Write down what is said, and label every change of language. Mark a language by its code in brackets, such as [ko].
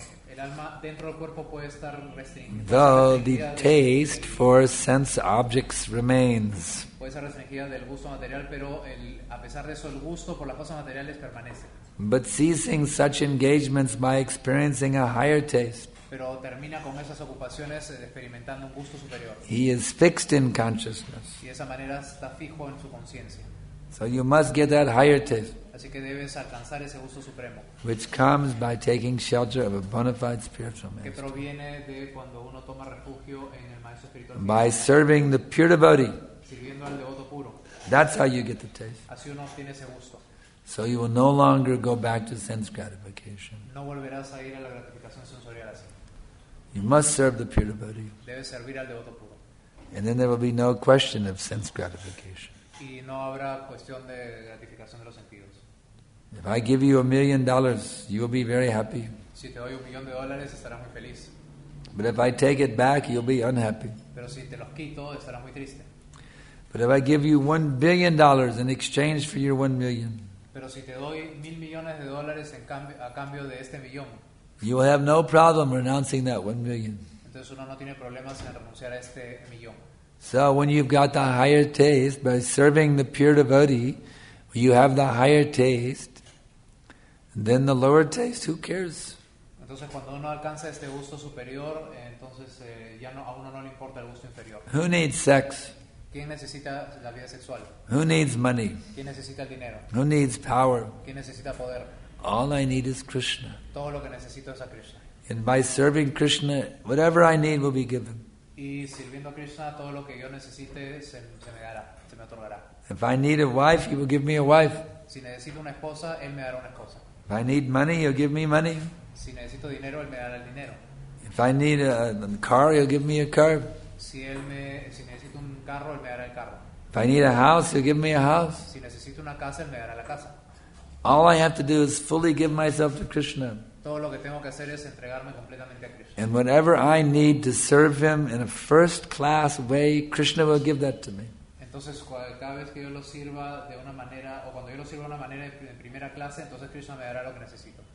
[es] El alma dentro del cuerpo puede estar restringida. [en] Though the taste for sense objects remains. [es] Puede ser restringida del gusto material, pero a pesar de eso, el gusto por las cosas materiales permanece. [en] But ceasing such engagements by experiencing a higher taste. [es] Pero termina con esas ocupaciones experimentando un gusto superior. [en] He is fixed in consciousness. [es] Y de esa manera está fijo en su conciencia. [en] So you must get that higher taste. [es] Así que debes alcanzar ese gusto supremo. [en] Which comes by taking shelter of a bona fide spiritual master. [es] Que proviene de cuando uno toma refugio en el maestro espiritual. [en] By serving the pure devotee. [es] Sirviendo al devoto puro. [en] That's how you get the taste. [es] Así uno obtiene ese gusto. [en] So you will no longer go back to sense gratification. [es] No volverás a ir a la gratificación sensorial así. [en] You must serve the pure devotee. [es] Debes servir al devoto puro. [en] And then there will be no question of sense gratification. [es] Y no habrá cuestión de gratificación de los sentidos. [en] If I give you $1,000,000, you'll be very happy. [es] Si te doy $1,000,000, estarás muy feliz. [en] But if I take it back, you'll be unhappy. [es] Pero si te los quito, estarás muy triste. [en] But if I give you $1,000,000,000 in exchange for your $1,000,000, [es] pero si te doy $1,000,000,000 a cambio de este millón, [en] you will have no problem renouncing that $1,000,000. [es] Entonces uno no tiene problemas en renunciar a este millón. [en] So when you've got the higher taste by serving the pure devotee, you have the higher taste, and then the lower taste, who cares? [es] Entonces cuando uno alcanza este gusto superior, entonces ya no, a uno no le importa el gusto inferior. [en] Who needs sex? [es] ¿Quién necesita la vida sexual? [en] Who needs money? [es] ¿Quién necesita el dinero? [en] Who needs power? [es] ¿Quién necesita poder? [en] All I need is Krishna. [es] Todo lo que necesito es a Krishna. [en] And by serving Krishna, whatever I need will be given. [es] Y sirviendo a Krishna, todo lo que yo necesite se me dará, se me otorgará. [en] If I need a wife, he will give me a wife. [es] Si necesito una esposa, él me dará una esposa. [en] If I need money, he'll give me money. [es] Si necesito dinero, él me dará el dinero. [en] If I need a car, he'll give me a car. [es] Si necesito un carro, él me dará el carro. [en] If I need a house, he'll give me a house. [es] Si necesito una casa, él me dará la casa. [en] All I have to do is fully give myself to Krishna. [es] Todo lo que tengo que hacer es entregarme completamente a Krishna. [en] And whatever I need to serve him in a first class way, Krishna will give that to me. [es] Entonces cada vez que yo lo sirva de una manera, o cuando yo lo sirva de una manera en primera clase, entonces Krishna me dará lo que necesito.